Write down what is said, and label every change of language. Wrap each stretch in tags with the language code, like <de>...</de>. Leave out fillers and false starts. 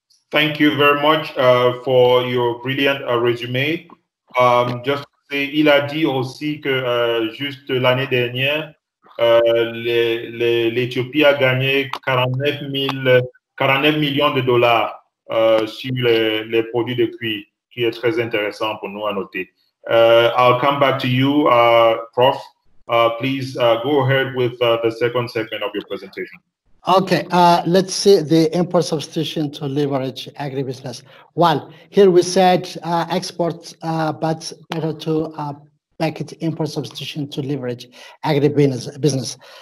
<en>Thank you very much for your brilliant resume.</en> <fr>Il a dit aussi que juste l'année dernière, l'Éthiopie a gagné 49 millions de dollars sur les produits de cuir, qui est très intéressant pour nous à noter.</fr> <en>I'll come back to you, Prof. Please go ahead with the second segment of your presentation. Okay, let's see the import substitution to leverage agribusiness. One, here we said export, but better to make it import substitution to leverage agribusiness.</en>